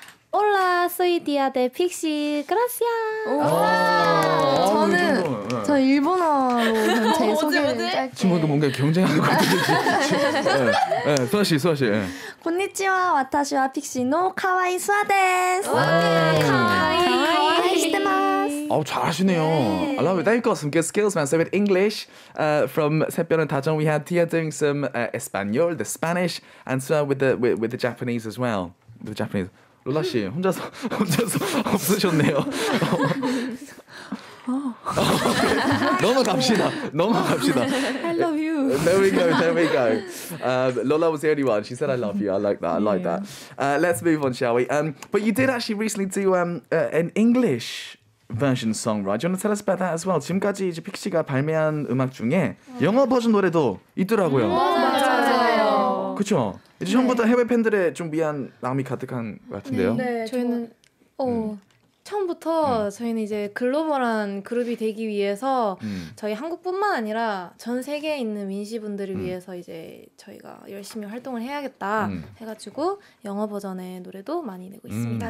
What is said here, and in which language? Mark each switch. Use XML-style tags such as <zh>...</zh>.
<es>Hola, soy Dia de Pixi. Gracias.</es> <ko>저는 일본어로 제 소개를 짧게. 지금 뭔가 경쟁하는 것 같은데. 네, 수아 씨, 수아 씨. 네. 안녕하세요.</ko> <ja>와타시와 픽시노 카와이 수아 데스. 카와이. 카와이 시테마스.</ja> <ko>아우 잘하시네요.</ko> <en>I love it. They've got some good skills, man. So with English from 세변 and 다정, we had Tia doing some Espanol, the Spanish, and Suha with the Japanese as well. The Japanese.</en> <ko>로라 씨 혼자서 없으셨네요. 넘어갑시다.</ko> <en>I love you. There we go. Lola was the only one. She said, "I love you." I like that. Yeah. I like that. Let's move on, shall we? But you did actually recently do an English version song, right? Do you want to tell us about that as well?</en> <ko>지금까지 이제 픽시가 발매한 음악 중에 영어 버전 노래도 있더라고요. 맞아요. 그렇죠. 이제 처음부터 해외 팬들의 좀 미안 마음이 가득한 것 같은데요. 네, 저희는 처음부터 저희는 이제 글로벌한 그룹이 되기 위해서 저희 한국뿐만 아니라 전 세계에 있는 민씨분들을 위해서 이제 저희가 열심히 활동을 해야겠다 해가지고 영어 버전의 노래도 많이 내고 있습니다.</ko>